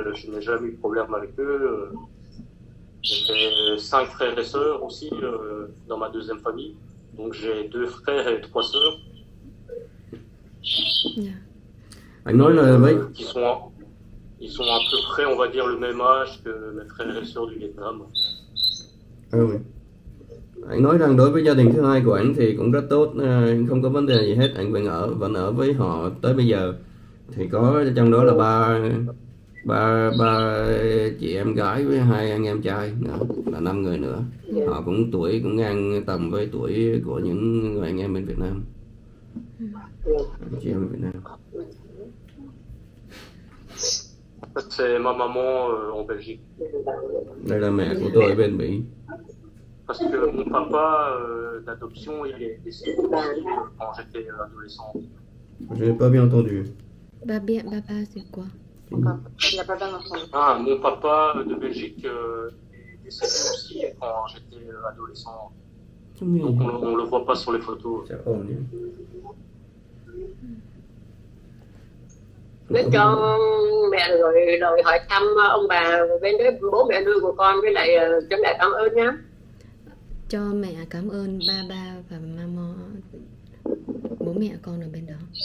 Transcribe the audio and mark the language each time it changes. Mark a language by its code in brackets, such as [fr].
[fr] Je n'ai jamais eu de problème avec eux. J'ai cinq frères et sœurs aussi dans ma deuxième famille. Donc j'ai deux frères et trois sœurs. [vi] Anh nói là vậy. [fr] Ils sont à peu près, on va dire, le même âge que mes frères et sœurs du Vietnam. [vi] Anh nói rằng đối với gia đình thứ hai của anh thì cũng rất tốt, anh không có vấn đề gì hết, anh vẫn ở với họ tới bây giờ. Thì có trong đó là ba chị em gái với hai anh em trai, là năm người nữa. Họ cũng tuổi cũng ngang tầm với tuổi của những người anh em bên Việt Nam. Chị em Việt Nam. [fr] C'est ma maman en Belgique. [vi] Đây là mẹ của tôi bên Mỹ. [fr] Parce que mon papa d'adoption il est décédé quand j'étais adolescent. Je n'ai pas bien entendu. Papa, c'est quoi? Mon papa de Belgique est décédé aussi quand j'étais adolescent. Donc on le voit pas sur les photos. [vi] Nên cho mẹ rồi hỏi thăm ông bà bên đấy, bố mẹ nuôi của con, với lại cho mẹ cảm ơn nhá. Cho mẹ cảm ơn ba ba và mama, bố mẹ con ở bên đó.